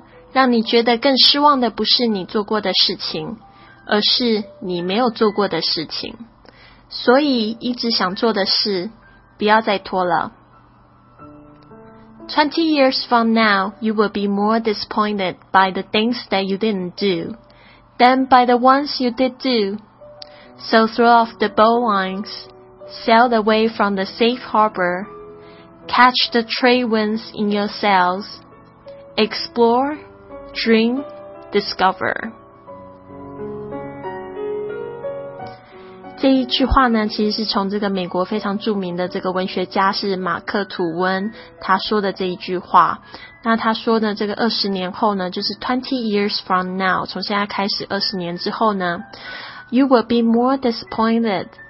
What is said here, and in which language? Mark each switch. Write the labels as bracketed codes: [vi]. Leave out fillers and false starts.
[zh] 让你觉得更失望的不是你做过的事情，而是你没有做过的事情。所以一直想做的事，不要再拖了。 [en] 20 years from now, you will be more disappointed by the things that you didn't do than by the ones you did do. So throw off the bowlines, sail away from the safe harbor, catch the trade winds in your sails, explore,Dream, discover. [zh] 这一句话呢，其实是从这个美国非常著名的这个文学家是马克吐温他说的这一句话。那他说呢，这个二十年后呢，就是 20 years from now， 从现在开始二十年之后呢， [en] you will be more disappointed。